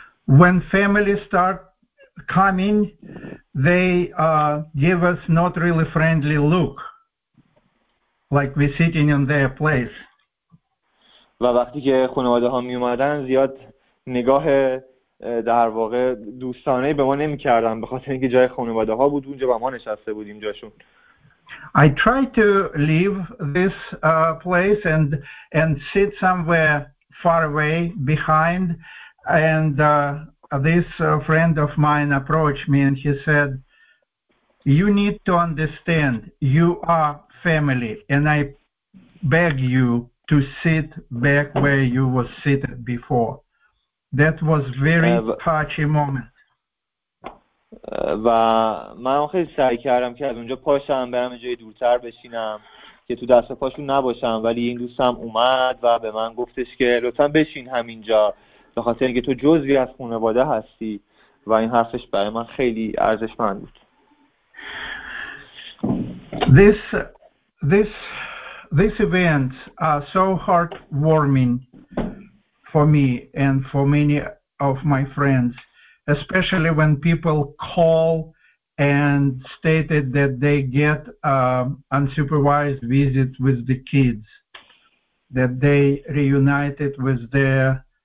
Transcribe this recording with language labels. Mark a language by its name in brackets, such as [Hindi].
[English] When family start coming, they give us not really friendly look, like we sitting in their place. [Persian] و وقتی که خانواده ها می اومدن زیاد نگاه در واقع دوستانه به ما نمی کردن به خاطر اینکه جای خانواده ها بود، اونجا با ما نشسته بودیم جاشون. [English] I try to leave this place and sit somewhere far away behind, and this friend of mine approached me and he said, you need to understand you are family and I beg you to sit back where you were seated before. That was very touchy moment. [Persian] و من خیلی سعی کردم که از اونجا پاشم برم جای دورتر بشینم که تو دست پاشون نباشم، ولی این دوستم اومد و به من گفتش که لطفا بشین همینجا به خاطر اینکه تو جزوی از خانواده هستی، و این حرفش برای من خیلی ارزشمند بود. [English] This event are so heartwarming for me and for many of my friends, especially when people call and stated that they get unsupervised visits with the kids, that they reunited with their